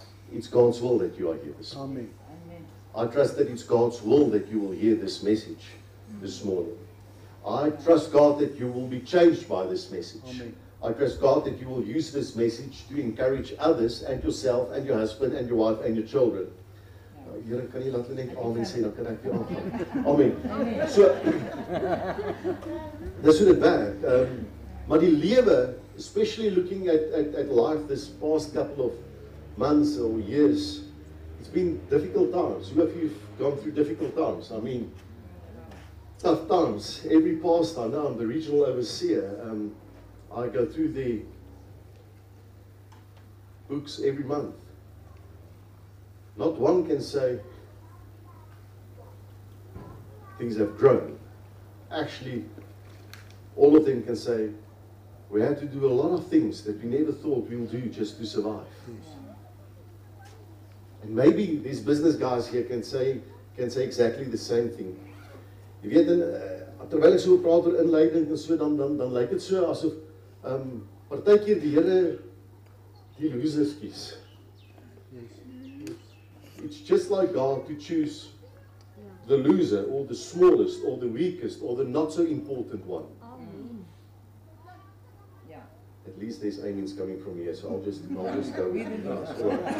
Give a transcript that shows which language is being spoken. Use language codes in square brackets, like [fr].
[en] It's God's will that you are here this morning. Amen. I trust that it's God's will that you will hear this message this morning. I trust God that you will be changed by this message. Amen. I trust God that you will use this message to encourage others and yourself and your husband and your wife and your children. [af] Here, kan jy laat my net amen sê, dan kan ek jou aanvang. Amen. So, dis hoe dit werk. Maar die lewe, [en] especially looking at life this past couple of months or years, it's been difficult times. Who of you have gone through difficult times? I mean, tough times. Every pastor, now I'm the regional overseer, I go through the books every month. Not one can say things have grown. Actually, all of them can say we had to do a lot of things that we never thought we'll do just to survive. Yes. And maybe these business guys here can say exactly the same thing. [af] Jy weet, terwyl ek so praat oor inleiding en so, dan lyk het so asof partykeer die Here die losers kies. [en] It's just like God to choose the loser, or the smallest, or the weakest, or the not so important one. Amen. Yeah. At least there's amens coming from here, so I'll just go with the last one.